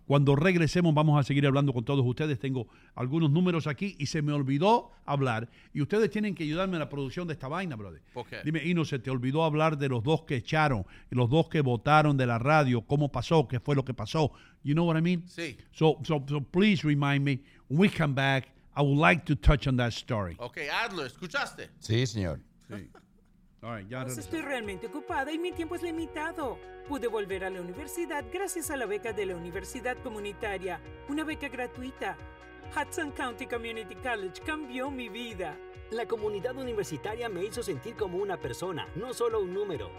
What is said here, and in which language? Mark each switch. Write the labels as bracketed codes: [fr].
[es] Cuando regresemos vamos a seguir hablando con todos ustedes. Tengo algunos números aquí y se me olvidó hablar. Y ustedes tienen que ayudarme en la producción de esta vaina, brother. ¿Por qué? Dime, Ino, se te olvidó hablar de los dos que echaron, los dos que votaron de la radio, cómo pasó, qué fue lo que pasó. [en] You know what I mean? [es] Sí. [en] So please remind me, when we come back, I would like to touch on that story. [es] Okay, Adler, ¿escuchaste? Sí, señor. Sí. [en] All right, [es] ya pues estoy realmente ocupada y mi tiempo es limitado. Pude volver a la universidad gracias a la beca de la Universidad Comunitaria, una beca gratuita. Hudson County Community College cambió mi vida. La comunidad universitaria me hizo sentir como una persona, no solo un número.